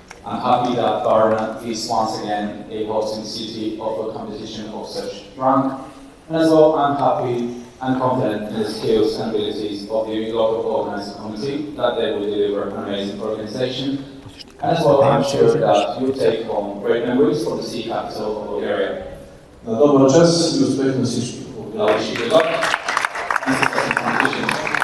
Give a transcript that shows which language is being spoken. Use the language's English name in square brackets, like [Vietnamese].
[English] I'm happy that Varna is once again a hosting city of a competition of such rank. And as well, I'm happy and confident in the skills and abilities of the local organizing committee that they will deliver an amazing organization. And as well, I'm sure that you take home great memories from the sea capital of Bulgaria. [Bulgarian] На добра час и успех на всичко. [English] Да, wish you good luck. This is the competition.